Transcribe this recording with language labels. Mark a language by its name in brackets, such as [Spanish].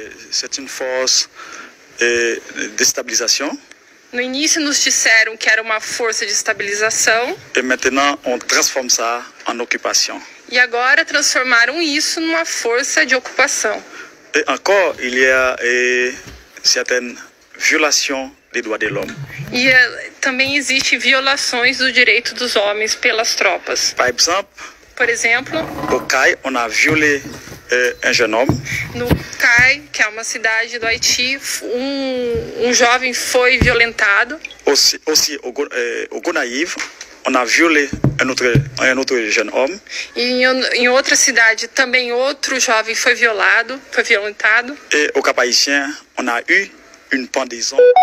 [French] C'est une force de stabilisation. [Portuguese] No início nos disseram que era uma força de estabilização. [French] Et maintenant on transforme ça en occupation. [Portuguese] E agora transformaram isso numa força de ocupação. [French] Et encore il y a certaines violations des droits de l'homme. [Portuguese] E também existem violações do direito dos homens pelas tropas. [French] Par exemple, [Portuguese] por exemplo, [French] au Cai, on a violé un jeune homme. [Portuguese] No Cai, que é uma cidade do Haiti, um jovem foi violentado. [French] Aussi au Gonaïve, on a violé un autre jeune homme. [Portuguese] E em outra cidade também outro jovem foi violado, foi violentado. [French] E au Cap-Haïtien, on a eu une pendaison.